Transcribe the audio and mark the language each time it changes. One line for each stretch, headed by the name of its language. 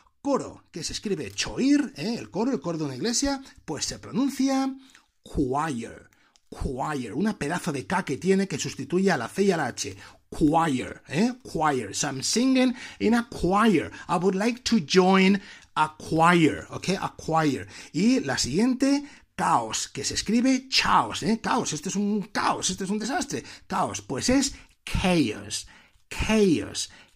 Spanish: Coro, que se escribe choir, el coro de una iglesia, pues se pronuncia choir. Choir, una pedazo de K que tiene que sustituye a la C y a la H.
English: Choir, choir. So I'm singing in a choir. I would like to join a choir, ok, a choir.
Spanish: Y la siguiente, caos, que se escribe chaos, caos, este es un caos, este es un desastre. Caos, pues es chaos.